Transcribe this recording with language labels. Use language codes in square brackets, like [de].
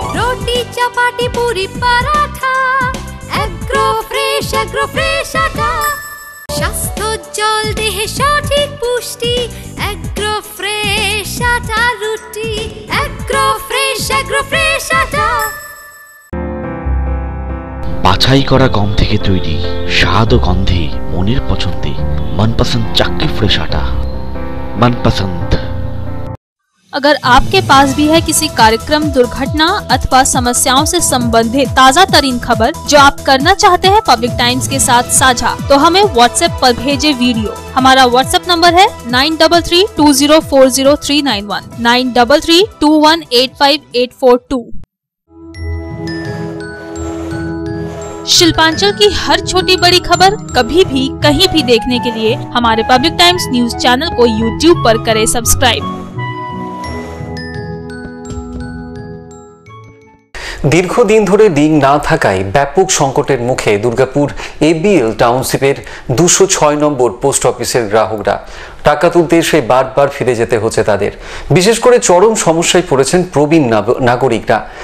[hi] रोटी, चपाती, पूरी, paratha, agro fresh आटा। [bn] स्वास्थ्य उज्जवल देह सठीक पुष्टि, एग्रो फ्रेश आटा रोटी, एग्रो फ्रेश आटा। বাছাই করা গম থেকে তৈরি স্বাদ ও গন্ধে মনের পছন্দে মনপসন্দ চাক্কি ফ্রেশ আটা। মনপসন্দ। [hi] अगर आपके पास भी है किसी कार्यक्रम, दुर्घटना अथवा समस्याओं से संबंधित ताज़ा तरीन खबर जो आप करना चाहते हैं पब्लिक टाइम्स के साथ साझा, तो हमें व्हाट्सएप पर भेजे वीडियो। हमारा व्हाट्सएप नंबर है 9332040391 9332185842। शिल्पांचल की हर छोटी बड़ी खबर कभी भी कहीं भी देखने के लिए हमारे पब्लिक टाइम्स न्यूज चैनल को यूट्यूब पर करें सब्सक्राइब। [bn] দীর্ঘদিন ধরে ডিং না থাকায় ব্যাপক সংকটের মুখে দুর্গাপুর এবিএল টাউনশিপের 206 নম্বর পোস্ট অফিসের গ্রাহকরা। টাকা তুলতে এসে বারবার ফিরে যেতে হচ্ছে তাদের। বিশেষ করে চরম সমস্যায় পড়েছেন প্রবীণ নাগরিকরা।